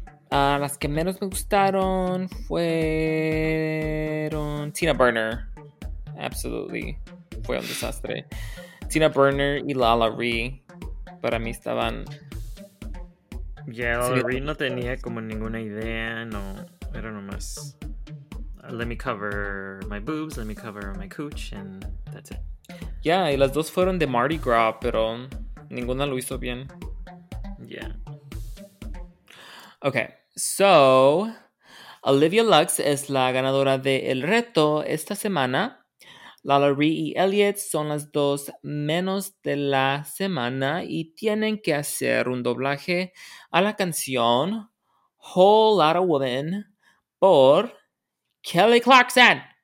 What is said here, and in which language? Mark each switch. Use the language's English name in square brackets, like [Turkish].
[Spanish] Las que menos me gustaron fueron Tina Burner. [English] Absolutely. [Spanish] Fue un desastre. Tina Burner y Lala Ri para mí estaban... Yeah, Lala Ri no tenía como ninguna idea, no. Era nomás... [English] let me cover my boobs, let me cover my cooch, and that's it. [Spanish] Yeah, y las dos fueron de Mardi Gras, pero ninguna lo hizo bien. [English] Yeah. [Spanish] Okay, so Olivia Lux es la ganadora de El Reto esta semana. Lala Ri y Elliot son las dos menos de la semana y tienen que hacer un doblaje a la canción Whole Lotta Woman por Kelly Clarkson.